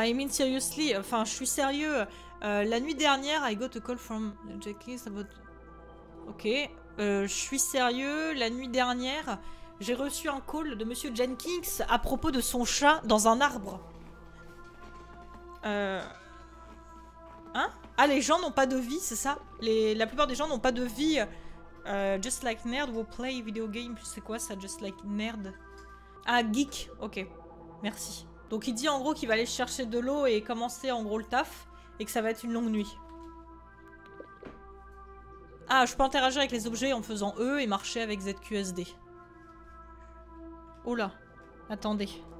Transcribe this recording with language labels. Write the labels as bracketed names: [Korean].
[English] Seriously, [French] enfin, je suis sérieux. La nuit dernière, [English] I got a call from Jackie about. Ok. [French] Je suis sérieux. La nuit dernière, j'ai reçu un call de Monsieur Jenkins à propos de son chat dans un arbre. Hein? Ah, les gens n'ont pas de vie, c'est ça? La plupart des gens n'ont pas de vie. [English] Just like nerd will play video game. [French] C'est quoi ça, [English] just like nerd? [French] Ah, geek. Ok. Merci. Donc il dit en gros qu'il va aller chercher de l'eau et commencer en gros le taf et que ça va être une longue nuit. Ah, je peux interagir avec les objets en faisant E et marcher avec ZQSD. Oh là, attendez.